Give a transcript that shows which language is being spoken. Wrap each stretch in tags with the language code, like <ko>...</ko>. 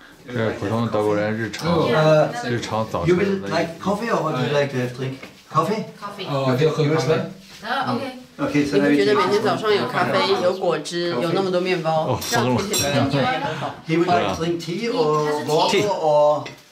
<zh>这是普通德国人日常，日常早晨。</zh> <en>You would like coffee or what do you like to drink? Coffee.</en> <zh>Coffee. 哦，就喝咖啡。</zh> <en>Okay. Okay.</en> <zh>你们觉得每天早上有咖啡、有果汁、有那么多面包，这样子身体也很好。</zh> <en>He would like to drink tea or water or</en>